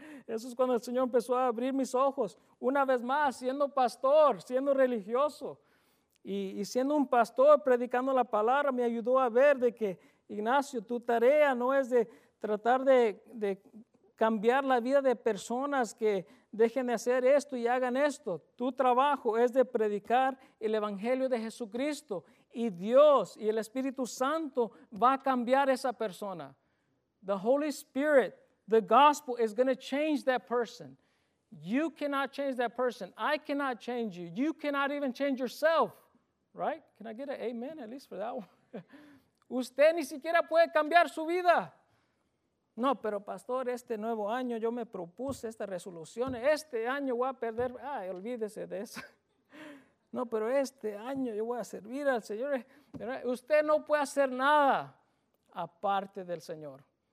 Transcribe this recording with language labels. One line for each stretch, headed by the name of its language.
Spanish: Eso es cuando el Señor empezó a abrir mis ojos, una vez más, siendo pastor, siendo religioso y siendo un pastor predicando la palabra, me ayudó a ver de que, Ignacio, tu tarea no es de tratar de cambiar la vida de personas que dejen de hacer esto y hagan esto. Tu trabajo es de predicar el Evangelio de Jesucristo y Dios y el Espíritu Santo va a cambiar esa persona.
English: The Holy Spirit, the gospel is going to change that person. You cannot change that person. I cannot change you. You cannot even change yourself. Right? Can I get an amen at least for that one?
Spanish: Usted ni siquiera puede cambiar su vida. No, pero pastor, este nuevo año yo me propuse esta resolución. Este año voy a perder. Ay, olvídese de eso. No, pero este año yo voy a servir al Señor. Usted no puede hacer nada aparte del Señor.